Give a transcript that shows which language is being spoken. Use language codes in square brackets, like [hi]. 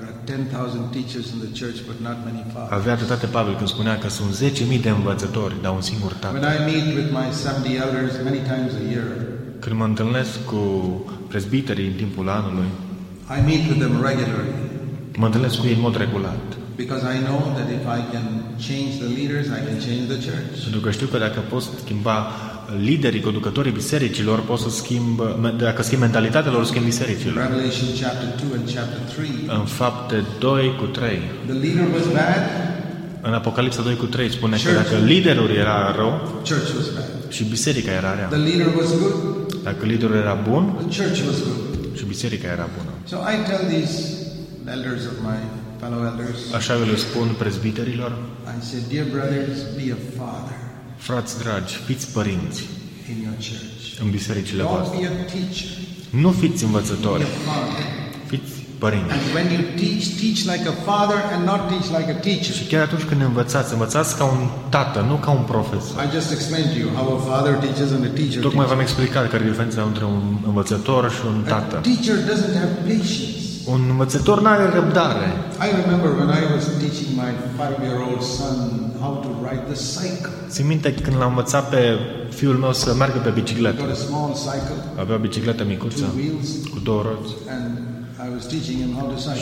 [en] 10,000 teachers in the church but not many fathers. [ro] Avea dreptate Pavel când spunea că sunt 10.000 de învățători, dar un singur tată. [en] When I meet with my 70 elders many times a year. [ro] Când mă întâlnesc cu prezbiterii în timpul anului. [en] I meet with them regularly. [ro] Mă întâlnesc cu ei în mod regulat. [en] Because I know that if I can change the leaders, I can change the church. [ro] Pentru că știu că dacă pot schimba liderii, conducătorii bisericilor, pot să schimb, dacă schimb mentalitatea lor, schimb bisericile. [en] Revelation chapter 2 and chapter 3. [ro] În Fapte 2 cu 3. [en] The leader was bad. [ro] În Apocalipsa 2 cu 3 spune că dacă liderul era rău, [en] church was bad. [ro] Și biserica era rea. [en] The leader was good. [ro] Dacă liderul era bun, [en] the church was good. [ro] Și biserica era bună. [en] So I tell these elders of my fellow elders. [ro] Așa le spun prezbiterilor. [en] I say, dear brothers, be a father. [ro] Frați dragi, fiți părinți [en] in your church. [ro] În bisericile [en] don't [ro] voastre. [en] Be a teacher. [ro] Nu fiți învățători. Fiți părinți. [en] And when you teach like a father and not teach like a teacher. [ro] Și chiar atunci când învățați, învățați ca un tată, nu ca un profesor. [en] I just explained to you how a father teaches and a teacher. [ro] Tocmai v-am explicat care e diferența între un învățător și un tată. [en] A teacher doesn't have patience. [ro] Un învățător n-are răbdare. [en] I remember when I was teaching my 5-year-old son how to ride the cycle. [ro] Țin minte când l-am învățat pe fiul meu să meargă pe bicicletă. [en] He got a small cycle. [ro] Avea bicicletă micuță cu două roți. [en] And I was teaching him how to cycle.